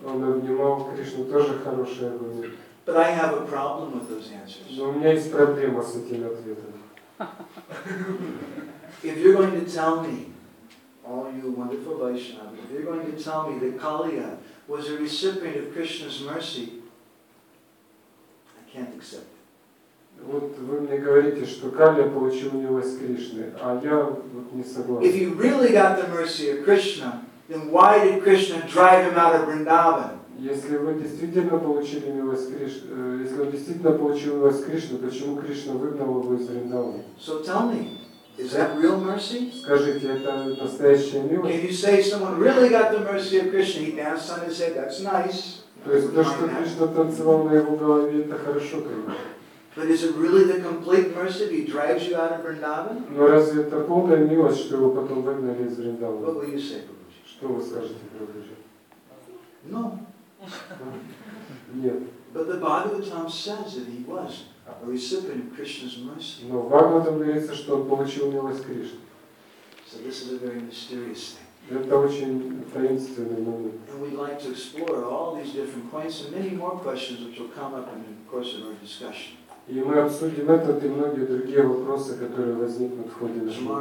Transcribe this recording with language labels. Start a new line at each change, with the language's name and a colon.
Russian: Он обнимал Кришну, тоже хорошее обнимание.
English: But I have a problem with those answers.
Russian: Но у меня есть проблема с этими ответами.
English: If you're going to tell me, all you wonderful Vaishnavas, if you're going to tell me that Kaliya was a recipient of Krishna's mercy, I can't accept it.
Russian: Вот вы мне говорите, что Калия получил милость Кришны, а я вот не согласен.
English: If he really got the mercy of Krishna, then why did Krishna drive him out of Vrindavan?
Russian: Если вы действительно получили милость Кришны, если он действительно получил милость Кришны, почему Кришна выгнал его из Вриндавана?
English: So tell me. Is that real mercy?
Russian: Скажите, это настоящая милость?
English: Can you say someone really got the mercy of Krishna? He danced on his head. That's nice.
Russian: То есть то, что Кришна танцевал на его голове, это хорошо, конечно.
English: But is it really the complete mercy that he drives you out of Vrindavan?
Russian: Но разве это полная милость, что его потом выгнали из Вриндавана?
English: What will you say, Прабхуджи?
Russian: Что вы скажете, Прабхуджи?
English: No.
Russian: Нет.
English: But the Bhagavatam says that he was a recipient of Krishna's mercy.
Russian: Но в Бхагаватам говорится, что он получил милость Кришны.
English: So this is a very mysterious thing.
Russian: Это очень таинственный момент.
English: And we'd like to explore all these different points and many more questions which will come up in the course of our discussion.
Russian: И мы обсудим этот и многие другие вопросы, которые возникнут в ходе нашего